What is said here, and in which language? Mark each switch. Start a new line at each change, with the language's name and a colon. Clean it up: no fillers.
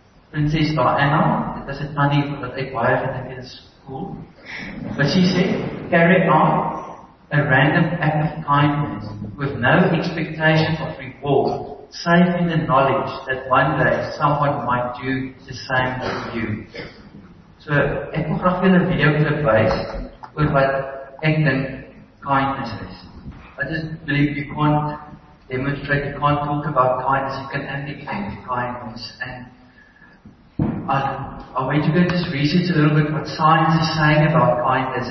English: Princess Diana, that was a funny for the wife at the school. But she said, carry on a random act of kindness with no expectation of reward, save in the knowledge that one day someone might do the same for you.
Afrikaans: So, ek wil graag julle 'n video klip wys oor wat ek dink kindness is.
English: I just believe you can't demonstrate, you can't talk about kindness, you can only act kindness. And I want you to go just research a little bit what science is saying about kindness.